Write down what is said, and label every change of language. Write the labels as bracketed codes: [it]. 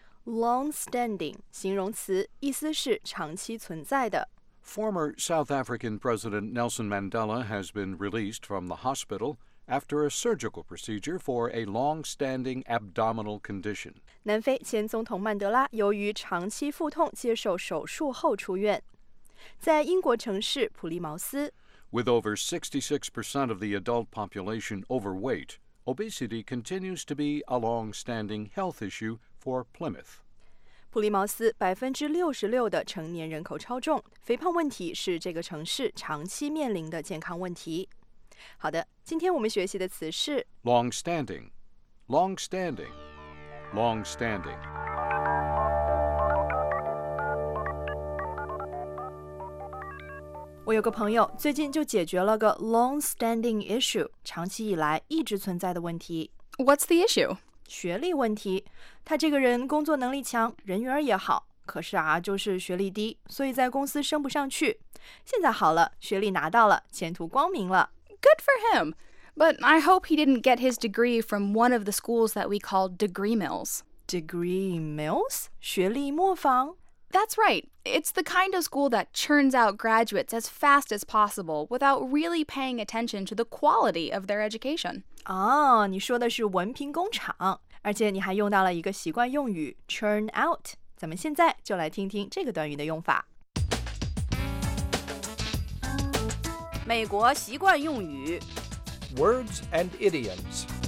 [zh] Longstanding, 形容词，意思是长期存在的。 [en] Former South African President Nelson Mandela has been released from the hospital after a surgical procedure for a long-standing abdominal condition. [zh] 南非前总统曼德拉由于长期腹痛接受手术后出院，在英国城市普利茅斯。 [en] With over 66% of the adult population overweight, obesity continues to be a long-standing health issue for Plymouth. [zh] 普利茅斯66%的成年人口超重，肥胖问题是这个城市长期面临的健康问题。好的，今天我们学习的词是 [en] longstanding, longstanding, longstanding。 [zh] 我有个朋友最近就解决了个 [en] longstanding issue, [zh] 长期以来一直存在的问题。 [en] What's the issue? [zh] 学历问题，他这个人工作能力强，人缘也好，可是啊，就是学历低，所以在公司升不上去。现在好了，学历拿到了，前途光明了。 [en] Good for him. But I hope he didn't get his degree from one of the schools that we call degree mills. Degree mills? [zh] 学历磨坊？ [en] That's right. It's the kind of school that churns out graduates as fast as possible without really paying attention to the quality of their education. [zh] 哦，你说的是文凭工厂，而且你还用到了一个习惯用语 churn out。咱们现在就来听听这个短语的用法。美国习惯用语 [en] words and idioms。